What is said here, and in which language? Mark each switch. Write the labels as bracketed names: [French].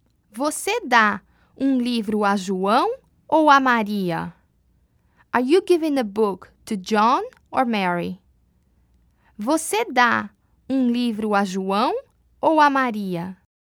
[Portuguese] Você dá um livro a João ou a Maria? [English] Are you giving a book to John or Mary? [Portuguese] Você dá um livro a João ou a Maria?